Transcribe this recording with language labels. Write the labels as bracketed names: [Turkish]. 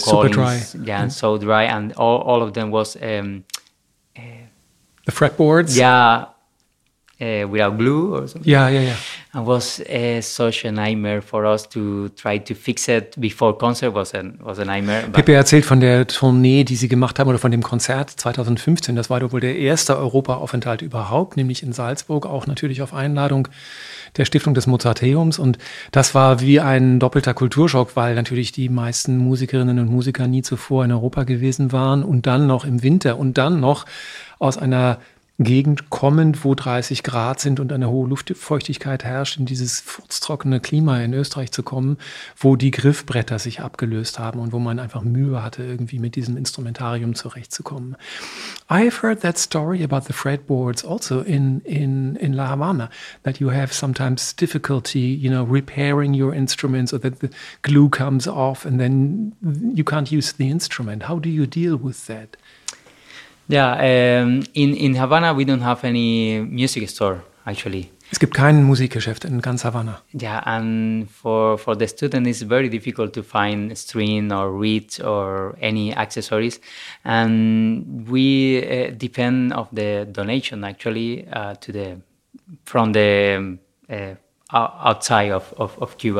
[English] super dry. So dry, and all of them was the fretboards without glue or something. Yeah. And was such a nightmare for us to try to fix it before concert was a nightmare. [German] Pepe erzählt von der Tournee, die sie gemacht haben, oder von dem Konzert 2015. Das war doch wohl der erste Europaaufenthalt überhaupt, nämlich in Salzburg, auch natürlich auf Einladung der Stiftung des Mozarteums. Und das war wie ein doppelter Kulturschock, weil natürlich die meisten Musikerinnen und Musiker nie zuvor in Europa gewesen waren und dann noch im Winter und dann noch aus einer Gegend kommend, wo 30 Grad sind und eine hohe Luftfeuchtigkeit herrscht, in dieses furztrockene Klima in Österreich zu kommen, wo die Griffbretter sich abgelöst haben und wo man einfach Mühe hatte, irgendwie mit diesem Instrumentarium zurechtzukommen. [English] I've heard that story about the fretboards also in La Habana, that you have sometimes difficulty, you know, repairing your instruments, or that the glue comes off and then you can't use the instrument. How do you deal with that? Yeah, in Havana we don't have any music store, actually. [German] Es gibt kein Musikgeschäft in ganz Havana. [English] Yeah, and for the student it's very difficult to find string or reed or any accessories. And we depend of the donation, actually, outside of Cuba.